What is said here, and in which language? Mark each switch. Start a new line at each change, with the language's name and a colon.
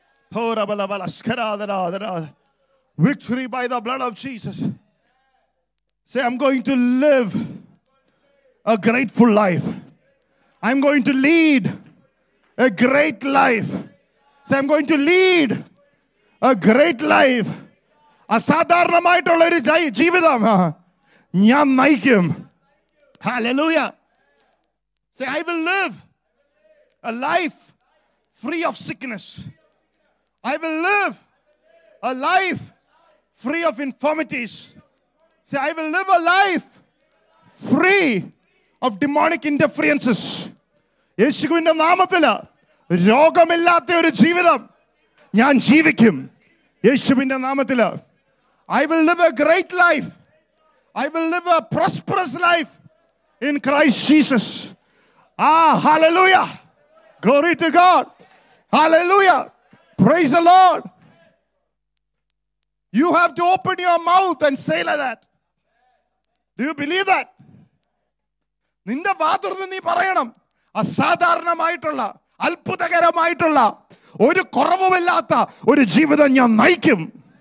English: Victory by the blood of Jesus. Say, I'm going to live a grateful life. I'm going to lead a great life. Say, I'm going to lead a great life.
Malayalam: അസാധാരണമായിട്ടുള്ള ഒരു ജീവിതം ഞാൻ നയിക്കും. Hallelujah.
English: Say, I will live a life free of sickness. I will live a life free of infirmities. Say, I will live a life free of demonic interferences.
Malayalam: യേശുവിന്റെ നാമത്തിൽ രോഗമില്ലാത്ത ഒരു ജീവിതം ഞാൻ ജീവിക്കും. യേശുവിന്റെ നാമത്തിൽ
English: I will live a great life. I will live a prosperous life in Christ Jesus. Ah, hallelujah. Glory to God. Hallelujah. Praise the Lord. You have to open your mouth and say like that. Do you believe that?
Malayalam: നിന്റെ വായിൽ നീ പറയണം അസാധാരണമായിട്ടുള്ള അത്ഭുതകരമായിട്ടുള്ള ഒരു കുറവുമില്ലാത്ത ഒരു ജീവിതം ഞാൻ നയിക്കും.